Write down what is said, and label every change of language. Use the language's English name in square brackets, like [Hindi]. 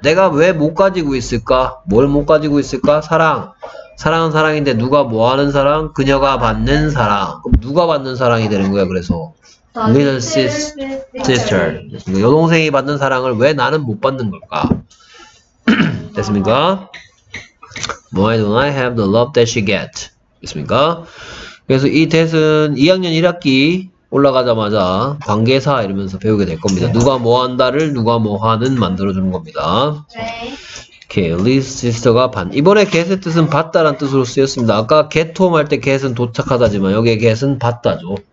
[Korean] 내가 왜 못 가지고 있을까? 뭘 못 가지고 있을까? 사랑. 사랑은 사랑인데 누가 뭐 하는 사랑? 그녀가 받는 사랑. 그럼 누가 받는 사랑이 되는 거야? 그래서 little sister. 됐습니까? 여동생이 받는 사랑을 왜 나는 못 받는 걸까? 됐습니까? [English] Why don't I have the love that she gets? [Korean] 됐습니까? 그래서 이 that은 2학년 1학기 올라가자마자 관계사 이러면서 배우게 될 겁니다. 누가 뭐 한다를 누가 뭐 하는 만들어주는 겁니다. 네. Okay, Liz sister가 반. 이번에 get의 뜻은 받다란 뜻으로 쓰였습니다. 아까 get home 할 때 get은 도착하다지만 여기 get은 받다죠.